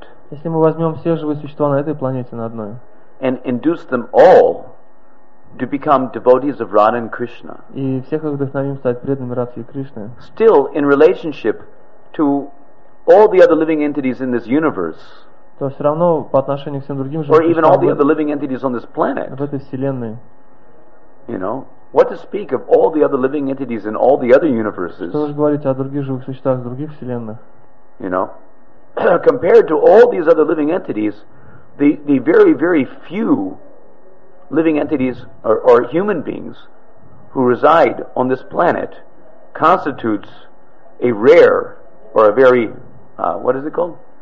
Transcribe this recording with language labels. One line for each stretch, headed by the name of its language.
Russian: Если мы возьмем все живые существа на этой планете на одной,
English: and induce them all to become devotees of Radha and Krishna.
Russian: И всех их вдохновим стать преданными Радхе и Кришне.
English: Still in relationship to all the other living entities in this universe.
Russian: То все равно по отношению к всем другим живым существам.
English: Or even all the other living entities on this planet.
Russian: В этой вселенной.
English: You know, what to speak of all the other living entities in all the other universes?
Russian: Что же говорить о других живых существах в других вселенных?
English: You know, compared to all these other living entities, the very very few living entities or human beings who reside on this planet constitutes a rare or a very what is it called